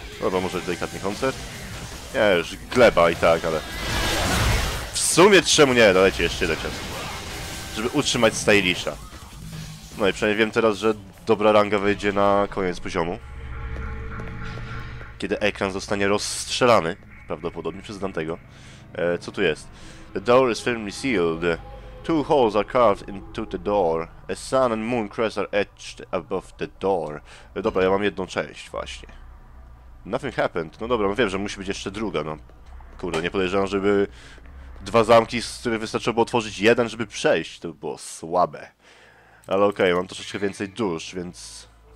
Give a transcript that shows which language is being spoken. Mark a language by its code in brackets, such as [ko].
[pl] Dobra, może delikatny koncert? Nie, już gleba i tak, ale... W sumie czemu nie? Dalecie jeszcze jeden cios. żeby utrzymać stylisha. No i przynajmniej wiem teraz, że dobra ranga wejdzie na koniec poziomu. Kiedy ekran zostanie rozstrzelany, prawdopodobnie przez Dantego. Co tu jest? [en] The door is firmly sealed. Two holes are carved into the door. A sun and moon crest are etched above the door. [pl] Dobra, ja mam jedną część właśnie. [en] Nothing happened. [pl] No dobra, no wiem, że musi być jeszcze druga, no. Kurde, nie podejrzewam, żeby dwa zamki, z których wystarczyło by otworzyć jeden, żeby przejść. To by było słabe. Ale okej, mam troszeczkę więcej dusz, więc...